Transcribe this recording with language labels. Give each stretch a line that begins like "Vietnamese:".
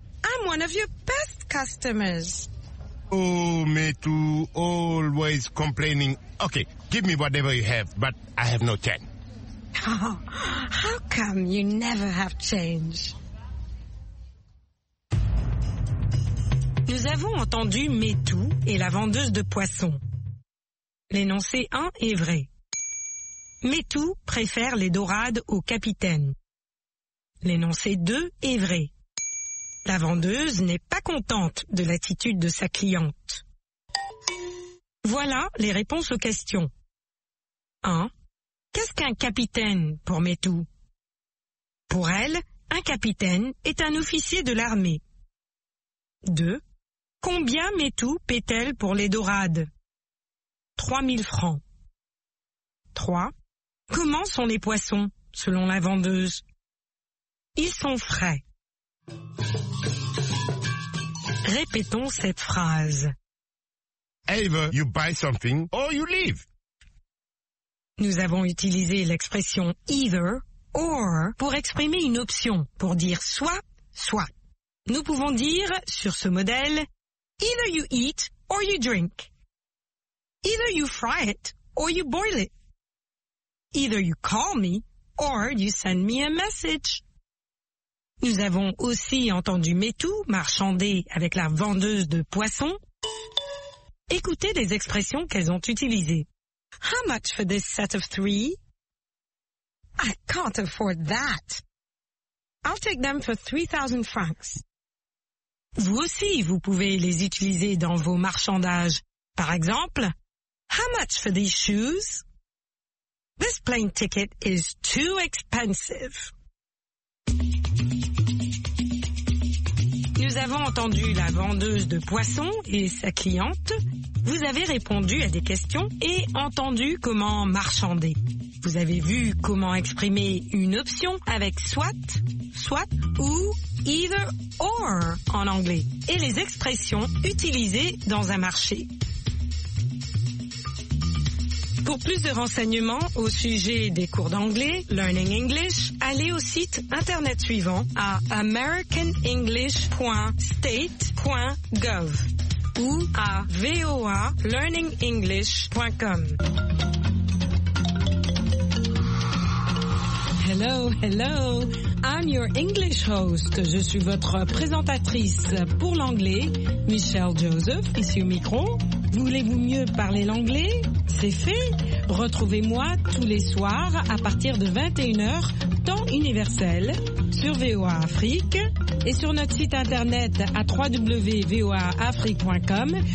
English: I'm one of your best customers. Oh, Metou, always complaining. Okay, give me whatever you have, but I have no change. How come you never have change?
French: Nous avons entendu Metou et la vendeuse de poissons. L'énoncé 1 est vrai. Metou préfère les dorades au capitaine. L'énoncé 2 est vrai. La vendeuse n'est pas contente de l'attitude de sa cliente. Voilà les réponses aux questions. 1. Qu'est-ce qu'un capitaine pour Metou? Pour elle, un capitaine est un officier de l'armée. 2. Combien Metou paie-t-elle pour les dorades? 3000 francs. 3. Comment sont les poissons, selon la vendeuse? Ils sont frais. Répétons cette phrase.
English: Either you buy something or you leave.
French: Nous avons utilisé l'expression either or pour exprimer une option, pour dire soit, soit. Nous pouvons dire, sur ce modèle,
English: either you eat or you drink. Either you fry it or you boil it. Either you call me or you send me a message.
French: Nous avons aussi entendu Metou marchander avec la vendeuse de poissons. Écoutez les expressions qu'elles ont utilisées.
English: How much for this set of three? I can't afford that. I'll take them for 3,000 francs.
French: Vous aussi, vous pouvez les utiliser dans vos marchandages. Par exemple,
English: how much for these shoes? This plane ticket is too expensive.
French: Nous avons entendu la vendeuse de poissons et sa cliente. Vous avez répondu à des questions et entendu comment marchander. Vous avez vu comment exprimer une option avec soit ou either or en anglais et les expressions utilisées dans un marché. Pour plus de renseignements au sujet des cours d'anglais, Learning English, allez au site internet suivant à americanenglish.state.gov ou à voalearningenglish.com.
English: Hello, hello, I'm your English host.
French: Je suis votre présentatrice pour l'anglais, Michelle Joseph, ici au micro. Voulez-vous mieux parler l'anglais? C'est fait. Retrouvez-moi tous les soirs à partir de 21h, temps universel, sur VOA Afrique et sur notre site internet à www.voaafrique.com.